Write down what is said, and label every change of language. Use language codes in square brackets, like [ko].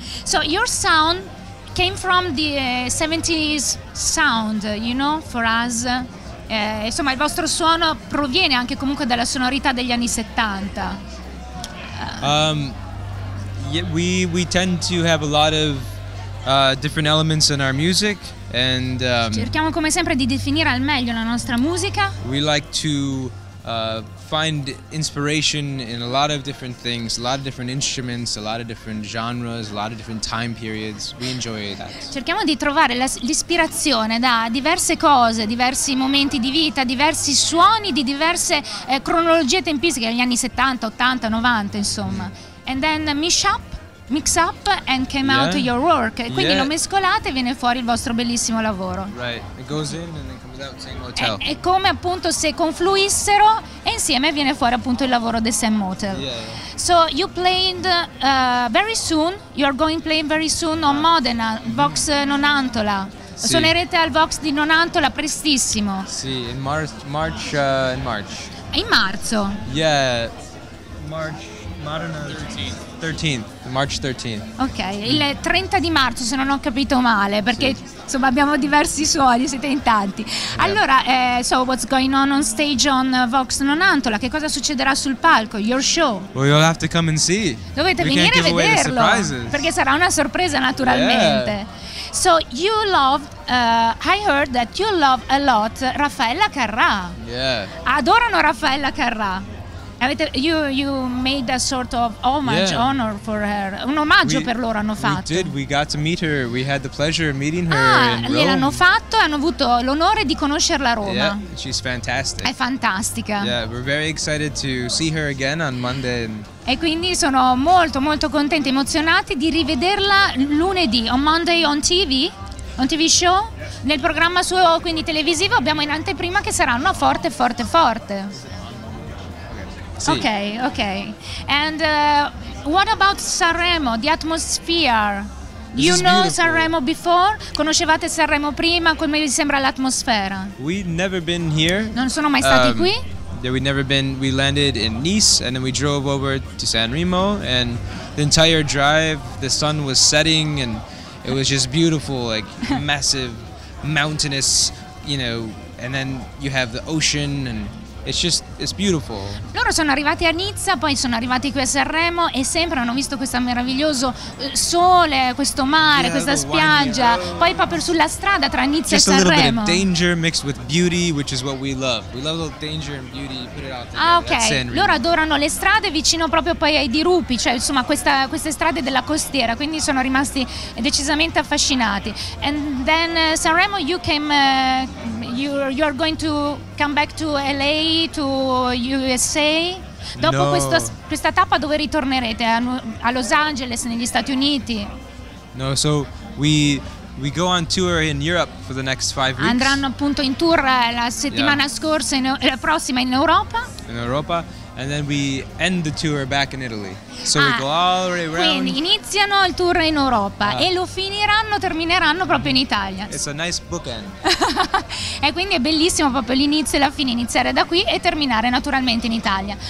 [en] So your sound came from the 70s sound, you know, for us. [it] Insomma, il vostro suono proviene anche comunque dalla sonorità degli anni 70. [en] We tend to have a lot of different elements in our music and [it] cerchiamo come sempre di definire al meglio la nostra musica. [en] We like to find inspiration in a lot of different things, a lot of different instruments, a lot of different genres, a lot of different time periods. We enjoy that. [it] Cerchiamo di trovare l'ispirazione da diverse cose, diversi momenti di vita, diversi suoni di diverse cronologie tempistiche negli anni 70, 80, 90, insomma. [en] And then mix up and came out your work. [it] Quindi lo mescolate e viene fuori il vostro bellissimo lavoro. [en] Right, it goes in and then comes out the same motel. [it] È come appunto se confluissero e insieme viene fuori appunto il lavoro del same motel. [en] Yeah. So you played very soon, you are going to play very soon on Modena, Vox Nonantola. [it] Sì. Suonerete al Vox di Nonantola prestissimo. [en] Sì, in March. [it] In marzo. [en] Yeah, March. Modena 13th, March 13th. [it] Ok, il 30 di marzo se non ho capito male, perché sì, insomma abbiamo diversi suoni, siete in tanti. [en] Yeah. [it] Allora, [en] so what's going on stage on Vox Nonantola? [it] Che cosa succederà sul palco? [en] Your show? Well, you'll have to come and see. [it] Dovete [en] We [it] venire a vederlo, perché sarà una sorpresa naturalmente. [en] Yeah. So you love, I heard that you love a lot Raffaella Carrà. Yeah. [it] Adorano Raffaella Carrà. [en] You made a sort of homage, honor for her. [it] Un omaggio per loro hanno fatto. [en] We did, we got to meet her. We had the pleasure of meeting her in Rome. [it] Gliel'hanno fatto e hanno avuto l'onore di conoscerla a Roma. [en] Yeah, she's fantastic. [it] È fantastica. [en] Yeah, we're very excited to see her again on Monday. [it] E quindi sono molto, molto contenta, emozionati di rivederla lunedì, [en] on Monday on TV. [it] Un TV show? [en] Yes. [it] Nel programma suo, quindi televisivo, abbiamo in anteprima che saranno forte, forte, forte. Sì. [en] Ok. And what about Sanremo, the atmosphere? This you know beautiful. Sanremo before? [it] Conoscevate Sanremo prima? Come vi sembra l'atmosfera? [en] We've never been here. [it] Non sono mai stati qui. [en] Yeah, we'd never been. We landed in Nice and then we drove over to Sanremo and the entire drive the sun was setting and it was just beautiful, like massive mountainous, you know, and then you have the ocean and It's beautiful. [it] Loro sono arrivati a Nizza, poi sono arrivati qui a Sanremo e sempre hanno visto questo meraviglioso sole, questo mare, questa spiaggia, poi proprio sulla strada tra Nizza [en] Just [it] e Sanremo. [en] Just a little bit of danger mixed with beauty, which is what we love. We love a little danger and beauty, put it out there. Ah, ok. [it] Loro adorano le strade vicino proprio poi ai dirupi, cioè insomma queste strade della costiera, quindi sono rimasti decisamente affascinati. [en] And then Sanremo, you came you're going to come back to LA to USA. [it] Dopo questa tappa dove ritornerete? A Los Angeles negli Stati Uniti? [en] No, so we go on tour in Europe for the next 5 weeks. [it] Andranno appunto in tour la settimana scorsa, la prossima in Europa. In Europa [en] And then we end the tour back in Italy. So we go all the way around. [it] Quindi iniziano il tour in Europa e lo finiranno, termineranno proprio in Italia. [en] It's a nice bookend. [it] E quindi è bellissimo proprio l'inizio e la fine, iniziare da qui e terminare naturalmente in Italia.